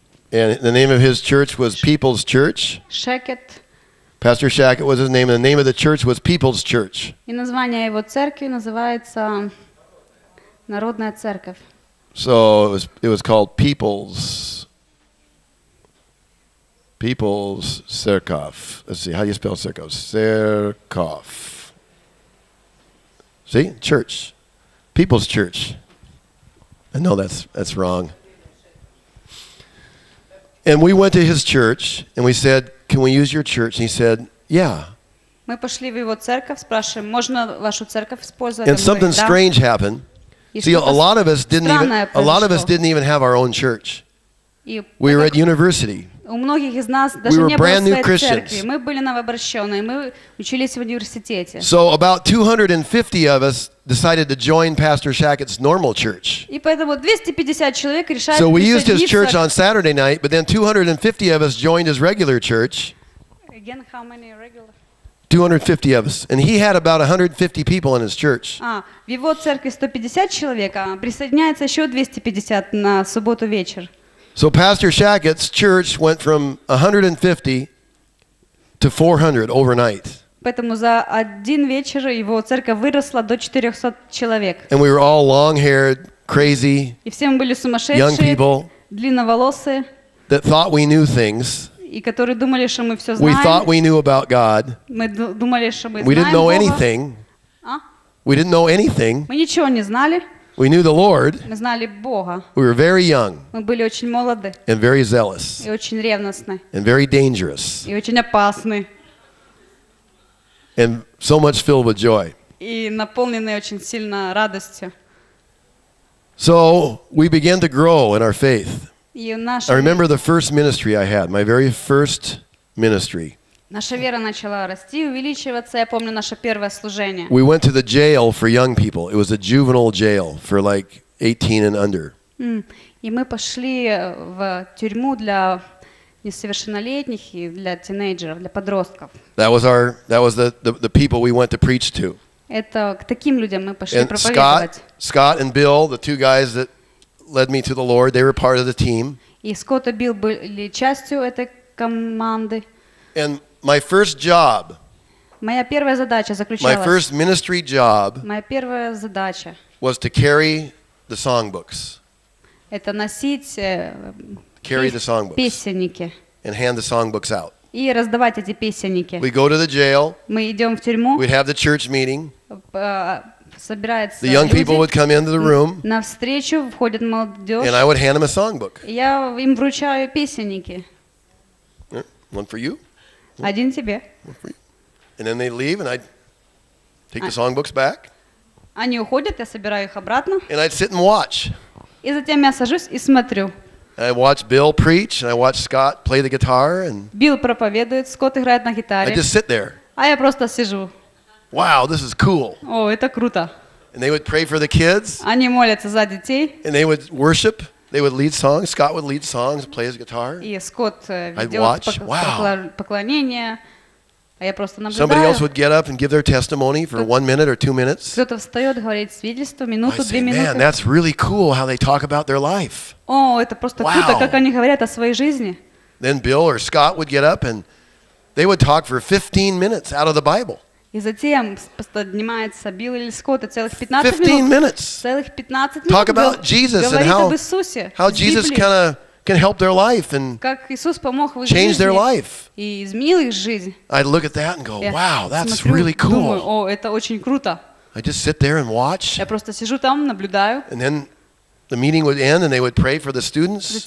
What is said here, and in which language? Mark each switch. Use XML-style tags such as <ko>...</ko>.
<en>And the name of his church was People's Church. Shackett. Pastor Shackett was his name, and the name of the church was People's Church.</en> <ru>И название его церкви называется Народная Церковь.</ru> <en>So it was called People's Serkov. Let's see, how do you spell Serkov? Serkov. See, church, People's Church. I know that's wrong. And we went to his church, and we said, "Can we use your church?" And he said. Yeah.</en> <ru>Мы пошли в его церковь, спрашиваем, можно вашу церковь использовать?</ru> <en>And something strange happened. See, a lot of us didn't even have our own church. We were at university.</en> <ru>У многих из нас даже не было своей церкви. Мы были новообращенные, мы учились в университете.</ru> <en>So about 250 of us decided to join Pastor Shackett's normal church.</en> <ru>И поэтому 250 человек решили присоединиться.</ru> <en>So we used his church on Saturday night, but then 250 of us joined his regular church. Again, how many regular? 250 of us, and he had about 150 people in his church.</en> <ru>В его церкви 150 человек, а присоединяется еще 250 на субботу вечер.</ru> <en>So Pastor Shackett's church went from 150 to 400 overnight.</en> <ru>Поэтому за один вечер его церковь выросла до 400 человек.</ru> <en>And we were all long-haired, crazy.</en> <ru>И все мы были сумасшедшие.</ru> <en>Young people.</en> <ru>Длинноволосые.</ru> <en>That thought we knew things.</en> <ru>И которые думали, что мы все знаем.</ru> <en>We thought we knew about God.</en> <ru>Мы думали, что мы</ru> <en>we</en> <ru>знаем</ru> <en>didn't know</en> <ru>Бога.</ru> <en>Anything.</en> <ru>А?</ru> <en>We didn't know anything.</en> <ru>Мы ничего не знали.</ru> <en>We knew the Lord.</en> <ru>Мы знали Бога.</ru> <en>We were very young.</en> <ru>Мы были очень молоды.</ru> <en>And very zealous.</en> <ru>И очень ревностны.</ru> <en>And very dangerous.</en> <ru>И очень опасны.</ru> <en>And so much filled with joy.</en> <ru>И наполненные очень сильно радостью.</ru> <en>So we began to grow in our faith.</en> <ru>Наша...</ru> <en>I remember the first ministry I had, my very first ministry.</en> <ru>Наша вера начала расти, увеличиваться. Я помню наше первое служение.</ru> <en>We went to the jail for young people. It was a juvenile jail for like 18 and under.</en> <ru>И мы пошли в тюрьму для несовершеннолетних и для тинейджеров, для подростков.</ru> <en>That was the people we went to preach to.</en> <ru>Это к таким людям мы пошли проповедовать.</ru> <en>Scott and Bill, the two guys that led me to the Lord, they were part of the team.</en> <ru>И Скотт и Билл были частью этой команды.</ru> <en>And my first job.</en> <ru>Моя первая задача заключалась.</ru> <en>My first ministry job.</en> <ru>Моя первая задача.</ru> <en>Was to carry the songbooks.</en> <ru>Это носить песенники.</ru> <en>And hand the songbooks out.</en> <ru>И раздавать эти песенники.</ru> <en>We go to the jail.</en> <ru>Мы идем в тюрьму.</ru> <en>We have the church meeting.</en> <ru>Собирается.</ru> <en>The young people would come into the room.</en> <ru>На встречу входит молодежь.</ru> <en>And I would hand them a songbook.</en> <ru>Я им вручаю песенники.</ru> <en>One for you.</en> <ru>Один тебе.</ru> <en>And then they leave, and I'd take the songbooks back.</en> <ru>Они уходят, я собираю их обратно.</ru> <en>And I'd sit and watch.</en> <ru>И затем я сажусь и смотрю.</ru> <en>I watch Bill preach, and I watch Scott play the guitar.</en> <ru>Билл проповедует, Скотт играет на гитаре.</ru> <en>I just sit there.</en> <ru>А я просто сижу.</ru> <en>Wow, this is cool.</en> <ru>О, это круто.</ru> <en>And they would pray for the kids.</en> <ru>Они молятся за детей.</ru> <en>And they would worship. They would lead songs. Scott would lead songs, play his guitar.</en> <ru>И Скотт ведет поклонение. А я просто наблюдаю.</ru> <en>Somebody else would get up and give their testimony for 1 minute or 2 minutes.</en> <ru>Кто-то встает, говорит свидетельство, минуту, две минуты.</ru> <en>Man, that's really cool how they talk about their life.</en> <ru>О, это просто круто, как они говорят о своей жизни.</ru> <en>Then Bill or Scott would get up and they would talk for 15 minutes out of the Bible.</en> <ru>И затем поднимается Билл или Скотт, целых 15 минут. Целых 15 минут.</ru> <en>Talk about Jesus and how Jesus kind of can help their life and change their life. I'd look at that and go, wow, that's really cool. I just sit there and watch. And then the meeting would end and they would pray for the students.</en>